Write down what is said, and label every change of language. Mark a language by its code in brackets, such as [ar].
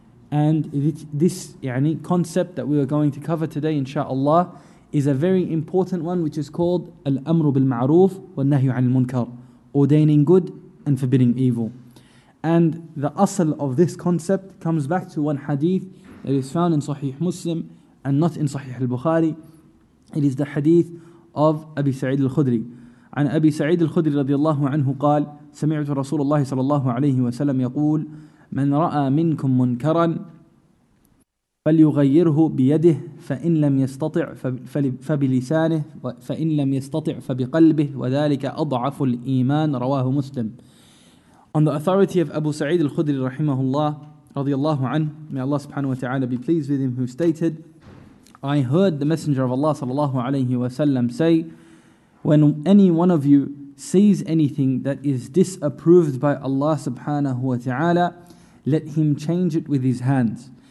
[en] And this concept that we are going to cover today, inshaAllah, is a very important one, which is called Al-Amru bil-Ma'roof wal-Nahyu al-Munkar, ordaining good and forbidding evil. And the asal of this concept comes back to one hadith that is found in Sahih Muslim and not in Sahih al-Bukhari. It is the hadith of Abi Sa'id al-Khudri. [ar] عن أبي سعيد الخدري رضي الله عنه قال سمعت رسول الله صلى الله عليه وسلم يقول من رأى منكم منكرا فليغيره بيده فإن لم يستطع فبلسانه فإن لم يستطع فبقلبه وذلك أضعف الإيمان رواه مسلم. [en] On the authority of Abu Sa'id al-Khudri [ar] رحمه الله رضي الله عنه, [en] may Allah subhanahu wa ta'ala be pleased with him, who stated, I heard the Messenger of Allah sallallahu alayhi wa sallam say, when any one of you sees anything that is disapproved by Allah subhanahu wa ta'ala, let him change it with his hands.